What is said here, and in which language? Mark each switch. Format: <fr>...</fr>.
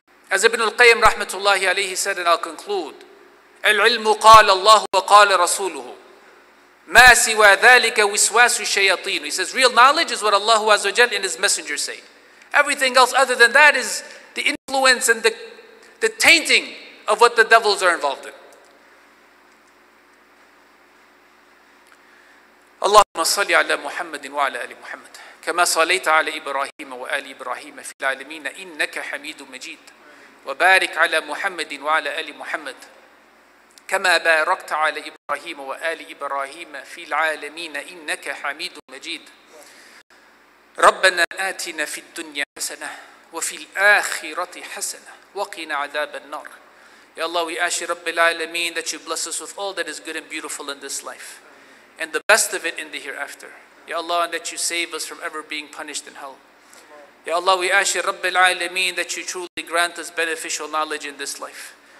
<en>As Ibn al-Qayyim rahmatullahi alayhi said, and I'll conclude,</en> <ar>العلم قال الله وقال رسوله ما سوى ذلك وسواس الشياطين.</ar> <en>He says, real knowledge is what Allah Azza wa Jal and His Messenger say. Everything else other than that is the influence and the tainting of what the devils are involved in.</en> <ar>اللهم صل على محمد وعلى آل محمد كما صليت على إبراهيم وآل إبراهيم في العالمين إنك حميد مجيد وبارك على محمد وعلى آل محمد كما باركت على إبراهيم وآل إبراهيم في العالمين إنك حميد مجيد ربنا آتنا في الدنيا حسنة وفي الآخرة حسنة وقنا عذاب النار.</ar> <en>يا الله, we ask you, Rabbil Alameen, that you bless us with all that is good and beautiful in this life and the best of it in the hereafter. Ya Allah, and that you save us from ever being punished in hell. Ya Allah, we ask you, Rabbil Alameen, that you truly grant us beneficial knowledge in this life.</en>